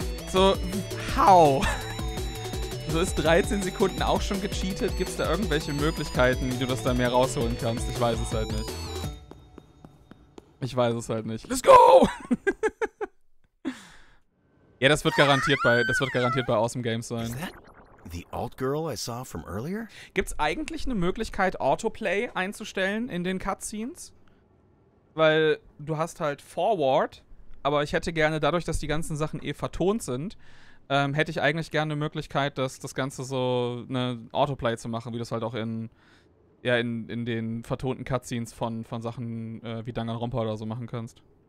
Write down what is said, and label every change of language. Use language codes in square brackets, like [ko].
[en] So, how? [de] So ist 13 Sekunden auch schon gecheatet? Gibt es da irgendwelche Möglichkeiten, wie du das da mehr rausholen kannst? Ich weiß es halt nicht. Ich weiß es halt nicht. [en] Let's go! [de] Ja, das wird garantiert bei Awesome Games sein. [en] Is that the alt girl I saw from earlier? [de] Gibt's eigentlich eine Möglichkeit, Autoplay einzustellen in den Cutscenes? Weil du hast halt Forward, aber ich hätte gerne, dadurch, dass die ganzen Sachen eh vertont sind, hätte ich eigentlich gerne eine Möglichkeit, dass das Ganze so eine Autoplay zu machen, wie das halt auch in den vertonten Cutscenes von Sachen wie Danganronpa oder so machen kannst.